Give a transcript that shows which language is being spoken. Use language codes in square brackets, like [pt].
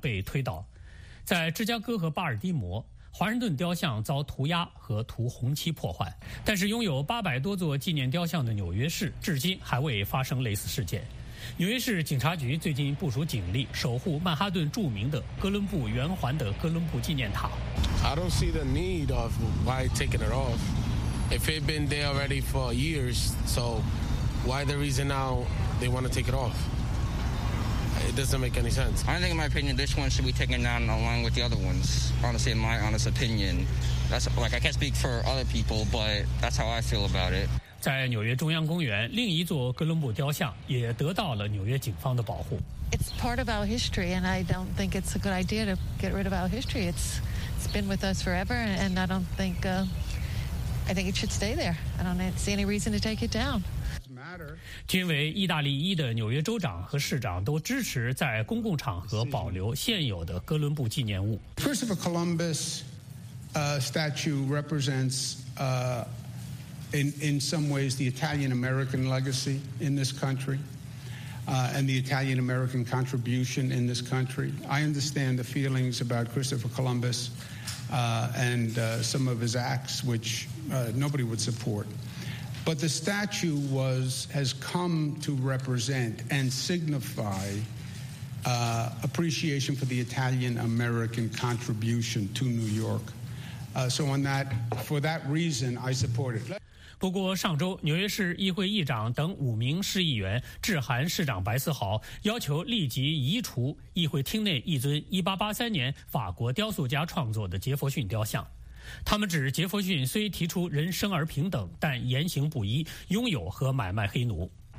[zh] 哥伦布雕像被推倒或遭破坏的地方有明尼苏达州的圣保罗市、波士顿、维吉尼亚大学、迈阿密和芝加哥。波特兰和芝加哥是首先把矛头对准美国建国者雕像的城市。在波特兰，一座杰弗逊雕像和一座华盛顿雕像被推倒。在芝加哥和巴尔的摩， 华盛顿雕像遭涂鸦和涂红漆破坏，但是拥有800多座纪念雕像的纽约市至今还未发生类似事件。纽约市警察局最近部署警力守护曼哈顿著名的哥伦布圆环的哥伦布纪念塔。 [en] I don't see the need of why taking it off. If it's been there already for years, so why the reason now they want to take it off? It doesn't make any sense. I think, in my opinion, this one should be taken down along with the other ones. Honestly, in my honest opinion, that's like I can't speak for other people, but that's how I feel about it. [zh] 在纽约中央公园，另一座哥伦布雕像也得到了纽约警方的保护。 [en] It's part of our history, and I don't think it's a good idea to get rid of our history. It's it's been with us forever, and I don't think, I think it should stay there. I don't see any reason to take it down. [zh] 均为意大利裔的纽约州长和市长都支持在公共场合保留现有的哥伦布纪念物。 [en] Christopher Columbus, statue represents, in some ways, the Italian-American legacy in this country, and the Italian-American contribution in this country. I understand the feelings about Christopher Columbus, and some of his acts, which, nobody would support. But the statue has come to represent and signify, appreciation for the Italian-American contribution to New York. So on that, for that reason, I support it. [zh] 不过上周纽约市议会议长等五名市议员致函市长白思豪，要求立即移除议会厅内一尊1883年法国雕塑家创作的杰弗逊雕像。他们指杰弗逊虽提出人生而平等，但言行不一，拥有和买卖黑奴。